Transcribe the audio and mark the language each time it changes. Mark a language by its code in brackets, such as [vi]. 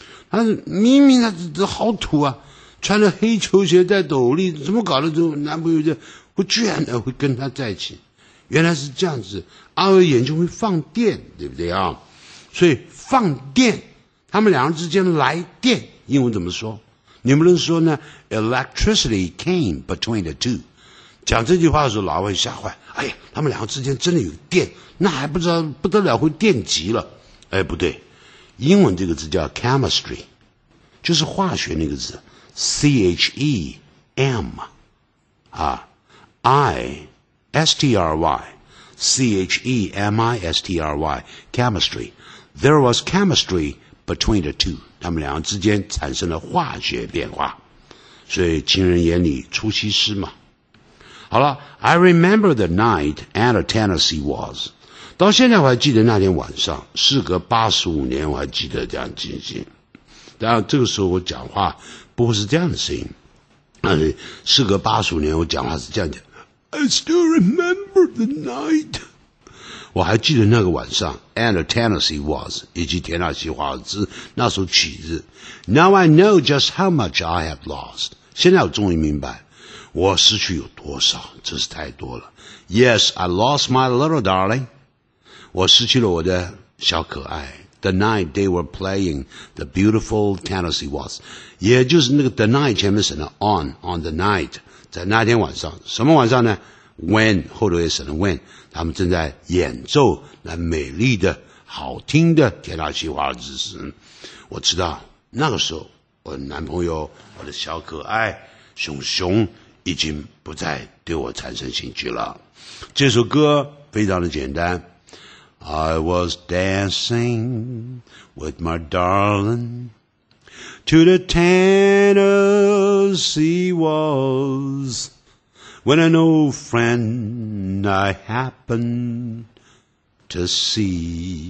[zh] 他明明他这好土啊，穿着黑球鞋，戴斗笠，怎么搞的？这男朋友就会居然的会跟他在一起，原来是这样子。阿娥眼睛会放电，对不对啊？所以放电，他们两个之间来电，英文怎么说？你们能说呢 [en] ？Electricity came between the two。 [zh] 讲这句话的时候，老外吓坏。哎呀，他们两个之间真的有电，那还不知道不得了，会电极了。哎，不对，英文这个字叫 chemistry， 就是化学那个字 ，C H E M， 啊 ，I S T R Y，C H E M I S T R Y，chemistry。 [en] There was chemistry between the two。 [zh] 他们两个之间产生了化学变化，所以情人眼里出西施嘛。好了 ， [en] I remember the night at Tennessee Waltz。 [zh] 到现在我还记得那天晚上，事隔85年，我还记得这样情形。然后这个时候我讲话不会是这样的声音，事隔85年，我讲话是这样讲 ： [en] I still remember the night。 [zh] 我还记得那个晚上 ， [en] And Tennessee Waltz [zh] 以及田纳西华尔兹那首曲子。 [en] Now I know just how much I have lost。 [zh] 现在我终于明白。我失去有多少，真是太多了。 [en] Yes, I lost my little darling. [zh] 我失去了我的小可爱。 [en] The night they were playing the beautiful Tennessee Waltz. [zh] 也就是那个 the night 前面省了 on the night. 在那天晚上，什么晚上呢？When, 后头也省了 when, 他们正在演奏那美丽的好听的田纳西华尔兹时。我知道那个时候我的男朋友，我的小可爱熊熊已经不再对我产生兴趣了。这首歌非常的简单。 [en] I was dancing with my darling to the Tennessee Waltz when an old friend I happened to see.